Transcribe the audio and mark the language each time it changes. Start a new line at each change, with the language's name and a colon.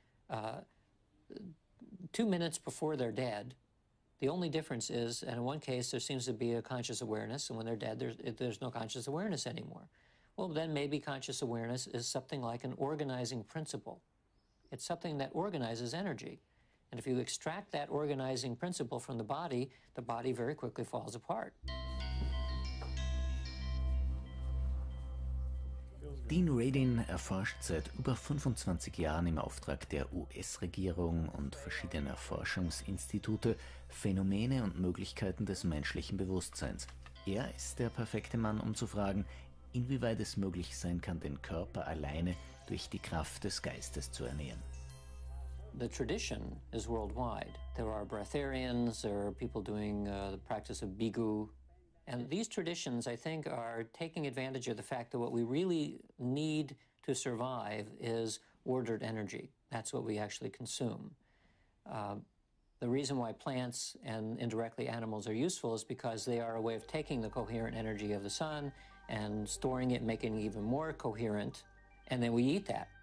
English: 2 minutes before they're dead, the only difference is, and in one case, there seems to be a conscious awareness, and when they're dead, there's no conscious awareness anymore. Well, then maybe conscious awareness is something like an organizing principle. It's something that organizes energy. And if you extract that organizing principle from the body very quickly falls apart.
German: Dean Radin erforscht seit über 25 Jahren im Auftrag der US-Regierung und verschiedener Forschungsinstitute Phänomene und Möglichkeiten des menschlichen Bewusstseins. Er ist der perfekte Mann, um zu fragen, inwieweit es möglich sein kann, den Körper alleine durch die Kraft des Geistes zu ernähren.
English: The tradition is worldwide. There are breatharians, there are people doing the practice of Bigu. And these traditions, I think, are taking advantage of the fact that what we really need to survive is ordered energy. That's what we actually consume. The reason why plants and indirectly animals are useful is because they are a way of taking the coherent energy of the sun and storing it, making it even more coherent, and then we eat that.